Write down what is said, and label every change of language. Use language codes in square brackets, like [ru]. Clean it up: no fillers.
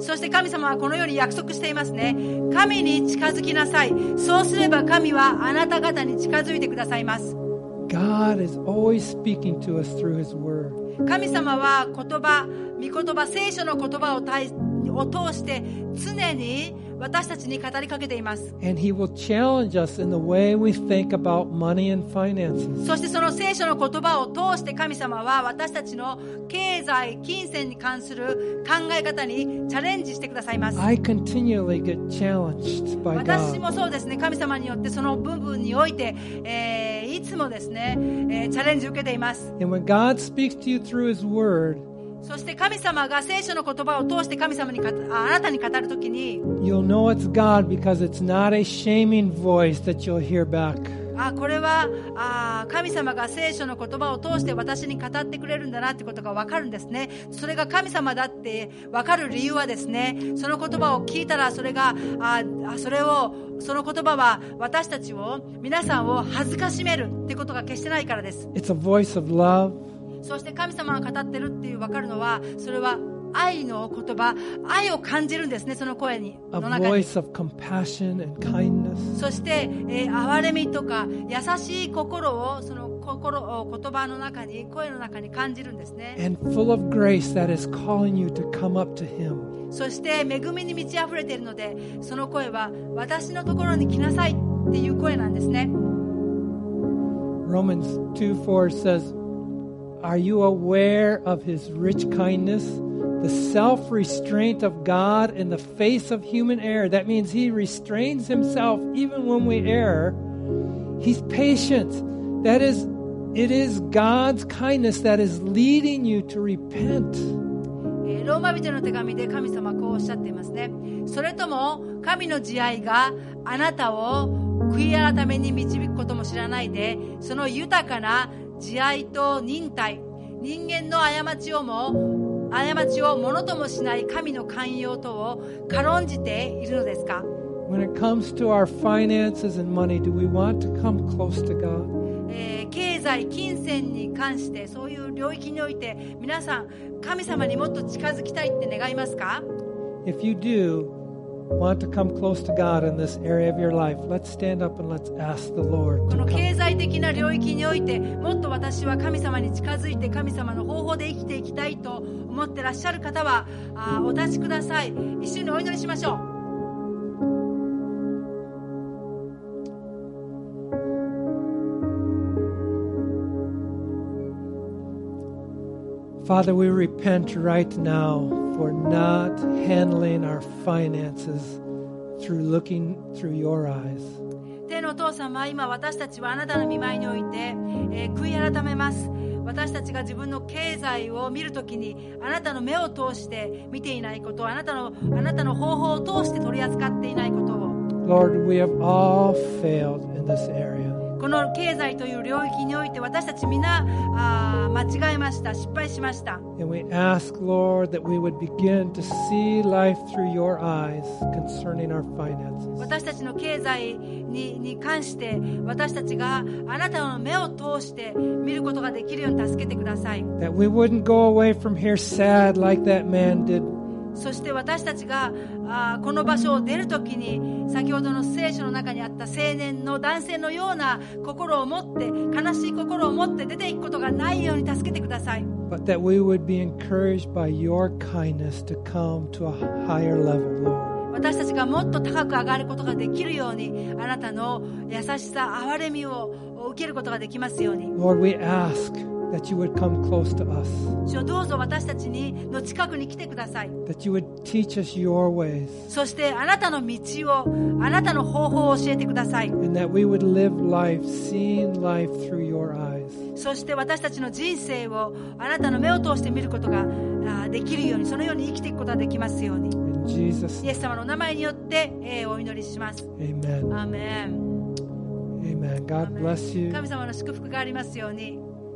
[ja] そして神様はこのように約束していますね。神に近づきなさい。そうすれば神はあなた方に近づいてくださいます。 [en] God is always speaking to us through His Word. [ja] 神様は言葉、御言葉、聖書の言葉を通して常に私たちに語りかけています。 [en] And He will challenge us in the way we think about money and finances. [ja] そしてその聖書の言葉を通して神様は私たちの経済、金銭に関する考え方にチャレンジしてくださいます。 [en] I continually get challenged by God. [ja] 私もそうですね。神様によってその部分において、いつもですね、チャレンジを受けています。 [en] And when God speaks to you through His Word, [ja] そして神様が聖書の言葉を通して神様にあなたに語るときに [en] You'll know it's God because it's not a shaming voice that you'll hear back. [ja] あ、これは神様が聖書の言葉を通して私に語ってくれるんだなってことが分かるんですね。それが神様だって分かる理由はですね、その言葉を聞いたらそれがそれをその言葉は私たちを皆さんを恥ずかしめるってことが決してないからです。 [en] It's a voice of love. [ja] そして神様が語ってるっていう分かるのはそれは愛の言葉、愛を感じるんですね、その声に、 [en] A voice of compassion and kindness. [ja] そして、憐れみとか優しい心をその心を言葉の中に声の中に感じるんですね。 [en] And full of grace that is calling you to come up to him. [ja] そして恵みに満ち溢れているので、その声は私のところに来なさいっていう声なんですね。 [en] Romans 2:4 says, "Are you aware of his rich kindness?" The self-restraint of God in the face of human error. That means he restrains himself even when we err. He's patient. That is, it is God's kindness that is leading you to repent. [ja] ローマ人の手紙で神様はこうおっしゃっていますね。それとも神の慈愛があなたを悔い改めに導くことも知らないで、その豊かな慈愛と忍耐、人間の過ちをものともしない神の寛容とを軽んじているのですか。 [en] When it comes to our finances and money, do we want to come close to God? [ja] 経済、金銭に関して、そういう領域において、皆さん、神様にもっと近づきたいって願いますか。 [en] If you do want to come close to God in this area of your life, let's stand up and let's ask the Lord to come. [ja] この経済的な領域において、もっと私は神様に近づいて、神様の方法で生きていきたいと思ってらっしゃる方は、お立ちください。一緒にお祈りしましょう。 [en] Father, we repent right now for not handling our finances through looking through your eyes. [ja] 天のお父様、今私たちはあなたの御前において、悔い改めます。私たちが自分の経済を見るときにあなたの目を通して見ていないこと、あなたの方法を通して取り扱っていないことを。 [en] Lord, we have all failed in this area. [ja] この経済という領域において私たちみんな間違えました、失敗しました。 [en] And we ask, Lord, that we would begin to see life through your eyes concerning our finances. [ja] 私たちの経済 に関して私たちがあなたの目を通して見ることができるように助けてください。 [en] That we wouldn't go away from here sad like that man did. [ja] そして私たちがこの場所を出るときに先ほどの聖書の中にあった青年の男性のような心を持って悲しい心を持って出ていくことがないように助けてください。 [en] But that we would be encouraged by your kindness to come to a higher level, Lord. [ja] 私たちがもっと高く上がることができるようにあなたの優しさ、憐れみを受けることができますように。 [en] Lord, we ask. That you would come close to us. [ja] 主よ、どうぞ私たちにの近くに来てください。 [en] That you would teach us your ways. [ja] そしてあなたの道を、あなたの方法を教えてください。 [en] And that we would live life, seeing life through your eyes. [ja] そして私たちの人生をあなたの目を通して見ることができるように、そのように生きていくことができますように。 [en] In Jesus. [ja] イエス様の名前によって、お祈りします。 [en] Amen. Amen. Amen. God bless you. [ja] 神様の祝福がありますように。